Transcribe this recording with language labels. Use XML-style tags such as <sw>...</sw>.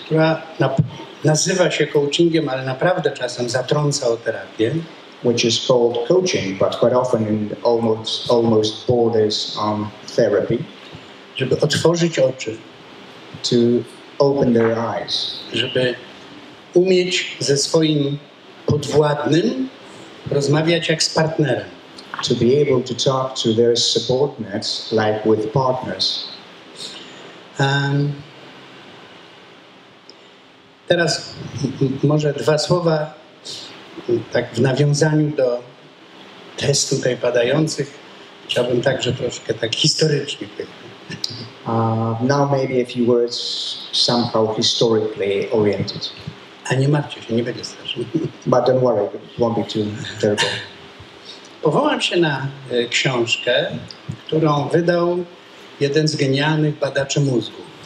<pl>Która nazywa się coachingiem, ale naprawdę czasem zatrąca o terapię.</pl> <en>Which is called coaching, but quite often almost borders on therapy.</en> <pl>Żeby otworzyć oczy.</pl> <en>To open their eyes.</en> <pl>Żeby umieć ze swoim podwładnym rozmawiać jak z partnerem.</pl> <en>To be able to talk to their subordinates like with partners.</en> <pl>Teraz może dwa słowa tak w nawiązaniu do testu tutaj padających. Chciałbym także troszkę tak historycznie powiedzieć.</pl> <en>Now maybe a few words somehow historically oriented.</en> <pl>A nie martwcie się, nie będzie strasznie.</pl> <en>But don't worry, it won't be too terrible.</en> <pl>Powołam się na książkę, którą wydał jeden z genialnych badaczy mózgu.</pl>